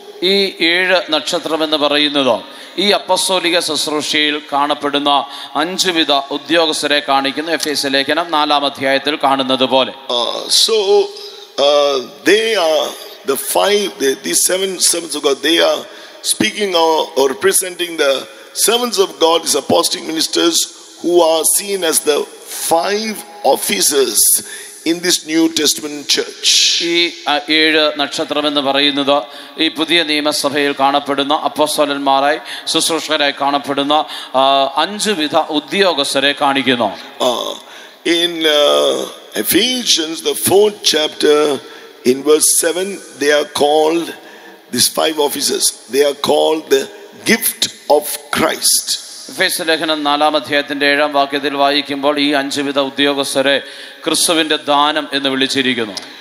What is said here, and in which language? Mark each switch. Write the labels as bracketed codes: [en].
[ml] ഈ ഏഴ് നക്ഷത്രം എന്ന് പറയുന്നതോ ഈ അപ്പസ്തോലിക ശുശ്രൂഷയിൽ കാണപ്പെടുന്ന അഞ്ച് വിധ ഉദ്യോഗസ്ഥരെ കാണിക്കുന്ന എഫേസ്യ ലേഖനം നാലാം അധ്യായത്തിൽ കാണുന്നത് പോലെ. [en] So they are the five, these seven servants of God, they are speaking or representing the servants of God, these apostolic ministers who are seen as the five officers in this New Testament church. [ml] ee ഏഴ് നക്ഷത്രം എന്ന് പറയുന്നത് ഈ പുതിയ നിയമസഭയിൽ കാണപ്പെടുന്ന അപ്പോസ്തലന്മാരായി ശുശ്രൂഷകരായി കാണപ്പെടുന്ന അഞ്ചു വിധ ഉദ്യോഗസ്ഥരെ കാണിക്കുന്നു. [en] In Ephesians the 4th chapter in verse 7 they are called, these five officers, they are called the gift of Christ. [ml] എഫേസ്യ ലേഖനം നാലാം അധ്യായത്തിന്റെ ഏഴാം വാക്യത്തിൽ വായിക്കുമ്പോൾ ഈ അഞ്ച് വിധ ഉദ്യോഗസ്ഥരെ ക്രിസ്തുവിന്റെ ദാനം എന്ന് വിളിച്ചിരിക്കുന്നു.